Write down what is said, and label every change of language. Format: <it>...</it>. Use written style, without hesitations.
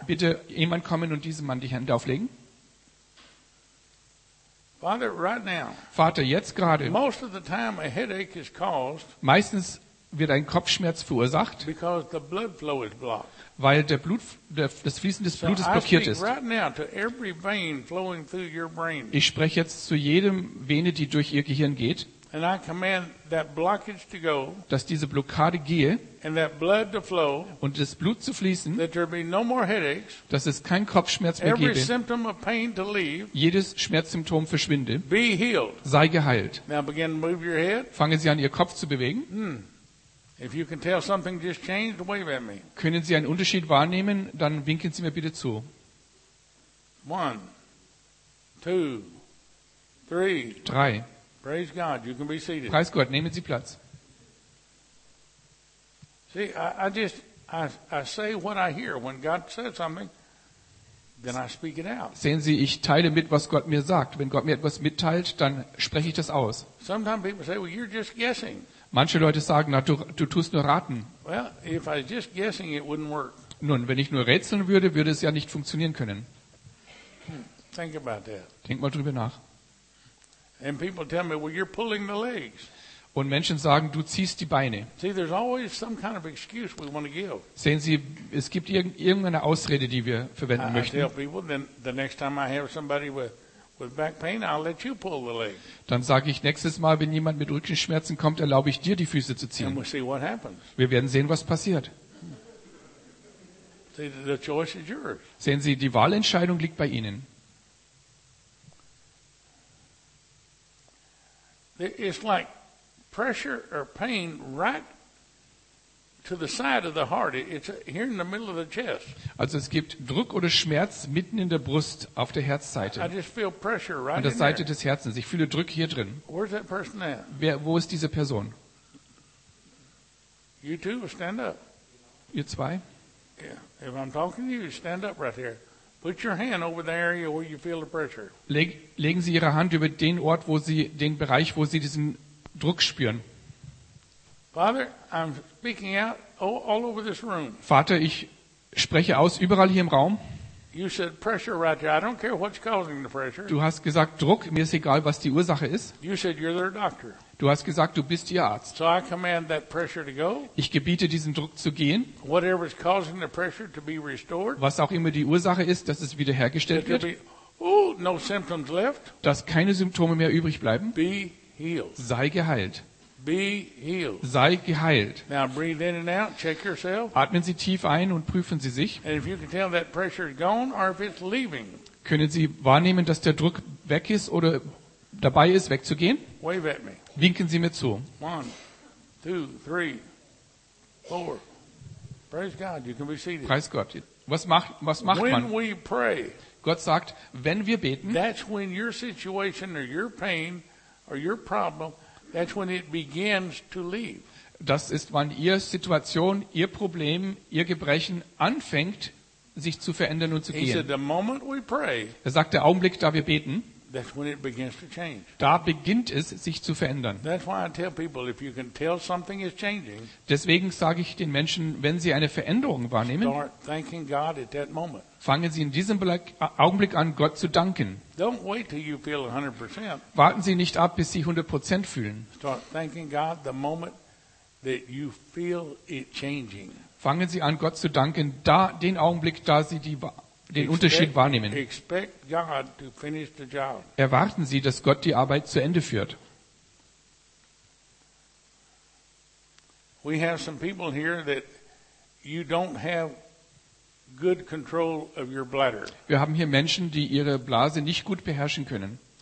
<de>Bitte jemand kommen und diesem Mann die Hände auflegen.</de> <en>Father, right now,</en> <de>Vater, jetzt gerade.</de> <en>Most of the time a headache is caused,</en> <de>meistens wird ein Kopfschmerz verursacht,</de> <en>because the blood flow is blocked.</en> <de>Weil der Blut, das Fließen des Blutes blockiert ist.</de> <en>Right now to every vein flowing through your brain.</en> <de>Ich spreche jetzt zu jedem Vene, die durch ihr Gehirn geht.</de> <en>And I command that blockage to go,</en> <de>dass diese Blockade gehe,</de> <en>and that blood to flow,</en> <de>und das Blut zu fließen,</de> <en>that there be no more headaches,</en> <de>dass es keinen Kopfschmerz mehr</de> <en>every</en> <de>gebe,</de> <en>symptom of pain to leave,</en> <de>jedes Schmerzsymptom verschwinde,</de> <en>be healed.</en> <de>Sei geheilt.</de> <en>Now begin to move your head.</en> <de>Fangen Sie an, Ihr Kopf zu bewegen.</de> <en>If you can tell something just changed, wave at me.</en> <de>Können Sie einen Unterschied wahrnehmen, dann winken Sie mir bitte zu.</de> <en>1, 2, 3. Praise God, you can be seated.</en> <de>Preis Gott, nehmen Sie Platz.</de> <en>See, I say what I hear when God says something, then I speak it out.</en> <de>Sehen Sie, ich teile mit, was Gott mir sagt. Wenn Gott mir etwas mitteilt, dann spreche ich das aus.</de> <en>Sometimes people say, well, you're just guessing.</en> <de>Manche Leute sagen, na, du tust nur raten.</de> <en>Well, if I was just guessing, it wouldn't work.</en> <de>Nun, wenn ich nur rätseln würde, würde es ja nicht funktionieren können.</de> <en>Think about that.</en> <de>Denk mal drüber nach.</de> <en>And people tell me, well, you're pulling the legs.</en> <de>Und Menschen sagen, du ziehst die Beine.</de> <en>See, there's always some kind of excuse we want to give.</en> <de>Sehen Sie, es gibt irgendeine Ausrede, die wir verwenden möchten.</de> <en>I tell people, then the next time I have somebody with back pain, I'll let you pull the leg.</en> <de>Dann sage ich, nächstes Mal, wenn jemand mit Rückenschmerzen kommt, erlaube ich dir, die Füße zu ziehen.</de> <en>And we'll see what happens.</en> <de>Wir werden sehen, was passiert.</de> <en>See, the choice is yours.</en> <de>Sehen Sie, die Wahlentscheidung liegt bei Ihnen.</de> <en>It's like pressure or pain right to the side of the heart. It's here in the middle of the chest.</en> <de>Also es gibt Druck oder Schmerz mitten in der Brust auf der Herzseite.</de> <en>I just feel pressure right</en> <de>an der Seite des Herzens. Ich fühle Druck hier drin.</de> <en>Where's that person at?</en> <de>Wo ist diese Person?</de> <en>You two, stand up.</en> <de>Ihr zwei?</de> <en>Yeah. If I'm talking to you, stand up right here. Put your hand over the area where you feel the pressure.</en> <de>Legen Sie Ihre Hand über den Ort, wo Sie den Bereich, wo Sie diesen Druck spüren.</de> <en>Father, I'm speaking out all over this room.</en> <de>Vater, ich spreche aus überall hier im Raum.</de> <en>You said pressure right there. I don't care what's causing the pressure.</en> <de>Du hast gesagt Druck. Mir ist egal, was die Ursache ist.</de> <en>You said you're their doctor.</en> <de>Du hast gesagt, du bist ihr Arzt.</de> <en>So I command that pressure to go.</en> <de>Ich gebiete diesen Druck zu gehen.</de> <en>Whatever is causing the pressure to be restored.</en> <de>Was auch immer die Ursache ist, dass es wiederhergestellt wird.</de> <en>No symptoms left.</en> <de>Dass keine Symptome mehr übrig bleiben.</de> <en>Be healed.</en> <de>Sei geheilt.</de> <en>Be healed.</en> <de>Sei geheilt.</de> <en>Now breathe in and out, check yourself.</en> <de>Atmen Sie tief ein und prüfen Sie sich.</de> <en>And if you can tell that pressure is gone or if it's leaving.</en> <de>Können Sie wahrnehmen, dass der Druck weg ist oder dabei ist, wegzugehen?</de> <en>Wave at me.</en> <de>Winken Sie mir zu.</de> <en>1, 2, 3, 4. Praise God, you can be seated.</en> <de>Preis Gott. Was macht</de> <en>when</en> <de>man?</de> <en>We pray,</en> <de>Gott sagt, wenn wir beten,</de> <en>that's when your situation or your pain or your problem, that's when it begins to leave.</en> <de>Das ist, wann Ihre Situation, Ihr Problem, Ihr Gebrechen anfängt, sich zu verändern und zu gehen.</de> <en>He said, the moment we pray,</en> <de>er sagt, der Augenblick, da wir beten,</de> <en>that's when it begins to change.</en> <de>Da beginnt es, sich zu verändern.</de> <en>That's why I tell people, if you can tell something is changing,</en> <de>deswegen sage ich den Menschen, wenn sie eine Veränderung wahrnehmen,</de> <en>start thanking God at that moment.</en> <de>Fangen Sie in diesem Augenblick an, Gott zu danken.</de> <en>Don't wait till you feel 100%.</en> <de>Warten Sie nicht ab, bis Sie 100% fühlen.</de> <en>Start thanking God the moment that you feel it changing.</en> <de>Fangen Sie an, Gott zu danken, da den Augenblick, da Sie den Unterschied wahrnehmen.</de> <en>Expect God to finish the job.</en> <de>Erwarten Sie, dass Gott die Arbeit zu Ende führt.</de> <en>We have some people here that you don't have good control of your bladder.</en> <de>Wir haben hier Menschen, die ihre Blase nicht gut beherrschen können.</de>